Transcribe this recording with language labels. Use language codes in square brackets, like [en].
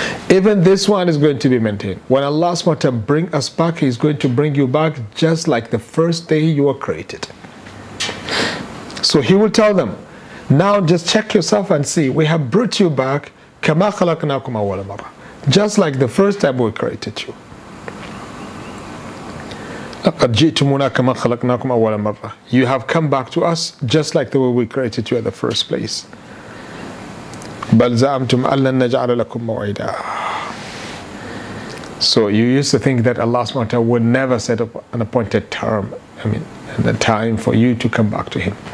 [en] Even this one is going to be maintained. When Allah SWT bring us back, He's going to bring you back just like the first day you were created. So He will tell them, now just check yourself and see, we have brought you back, [ar] كَمَا خَلَقْنَاكُمْ أَوَّلَ مَرَّةٍ, [en] just like the first time we created you. [ar] لقد جئتمونا كما خلقناكم أول مرة. [en] You have come back to us just like the way we created you at the first place. [ar] بل زعمتم أن لن نجعل لكم موعدا. [en] So you used to think that Allah SWT would never set up an appointed term, the time for you to come back to Him.